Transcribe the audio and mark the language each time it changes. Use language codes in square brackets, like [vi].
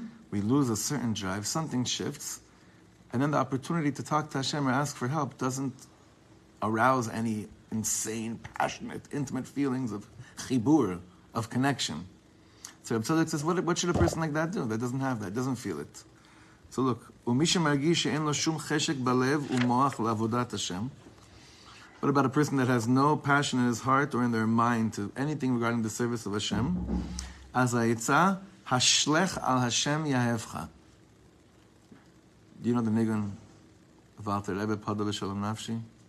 [en] We lose a certain drive. Something shifts. And then the opportunity to talk to Hashem or ask for help doesn't arouse any insane, passionate, intimate feelings of chibur, of connection. So Reb Tzadok says, what should a person like that do? That doesn't have that, doesn't feel it. So look, [he] ומי שמרגיש שאין לו שום חשק בלב ומוח לעבודת השם. [en] What about a person that has no passion in his heart or in their mind to anything regarding the service of Hashem? [he] As a itza, hashlech al Hashem yahevcha. [en] Do you know the nigun of Alter Rebbe Padal Shalom Nafshi?